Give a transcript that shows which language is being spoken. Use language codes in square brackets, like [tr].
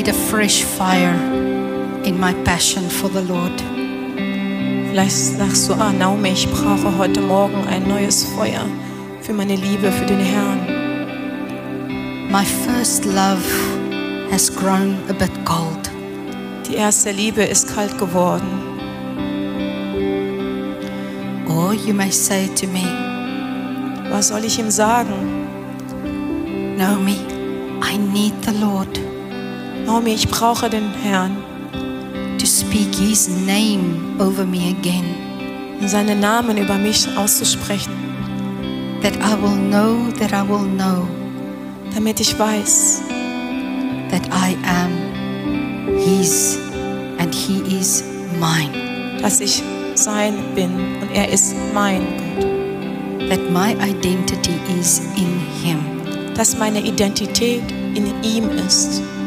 [en] Fresh fire in my passion for the Lord. [de] Vielleicht sagst du, Naomi, ich brauche heute Morgen ein neues Feuer für meine Liebe für den Herrn. [en] My first love has grown a bit cold. [de] Die erste Liebe ist kalt geworden. [en] Or you may say to me, [de] was soll ich ihm sagen? [en] Naomi, I need the Lord. [de] Naomi, ich brauche den Herrn. [en] To speak His name over me again. [de] Seinen Namen über mich auszusprechen. [en] That I will know, that I will know. [de] Damit ich weiß. [en] That I am His and He is mine. [de] Dass ich sein bin und er ist mein Gott. [en] That my identity is in Him. [de] Dass meine Identität in ihm ist.